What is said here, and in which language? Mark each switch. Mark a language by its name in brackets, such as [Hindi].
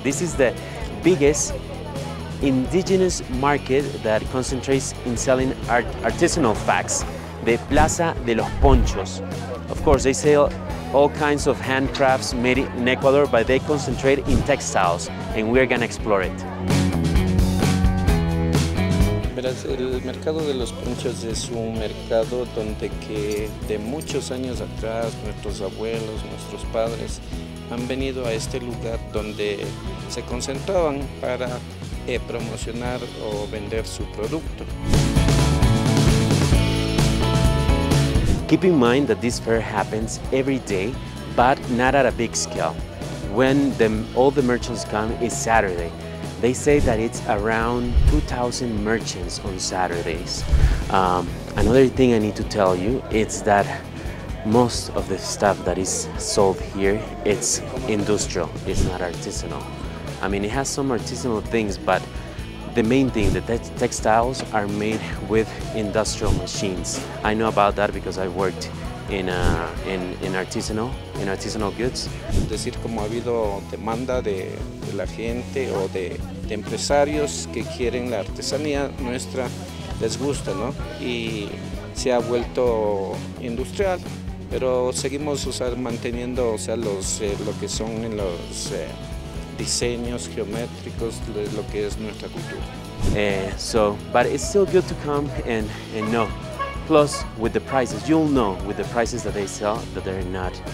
[English] This is the biggest indigenous market that concentrates in selling artisanal facts, the Plaza de los Ponchos. Of course, they sell all kinds of handcrafts made in Ecuador, but they concentrate in textiles, and we're gonna explore it. [Spanish] Verás, el mercado de los ponchos es un mercado donde que de muchos años atrás nuestros abuelos, nuestros padres han venido a este lugar donde se concentraban para promocionar o vender su producto. [English] Keep in mind that this fair happens every day, but not at a big scale. When all the merchants come is Saturday. They say that it's around 2,000 merchants on Saturdays. Another thing I need to tell you is that most of the stuff that is sold here, it's industrial, it's not artisanal. I mean, it has some artisanal things, but the main thing, the textiles are made with industrial machines. I know about that because I worked in artisanal goods. [Spanish] Decir como ha habido demanda de la gente o de empresarios que quieren la artesanía nuestra, les gusta, ¿no? Y se ha vuelto industrial, pero seguimos manteniendo, o sea, lo que son los diseños geométricos de lo que es nuestra cultura. [English] But it's still good to come and know. Plus, with the prices, you'll know with the prices that they sell that they're not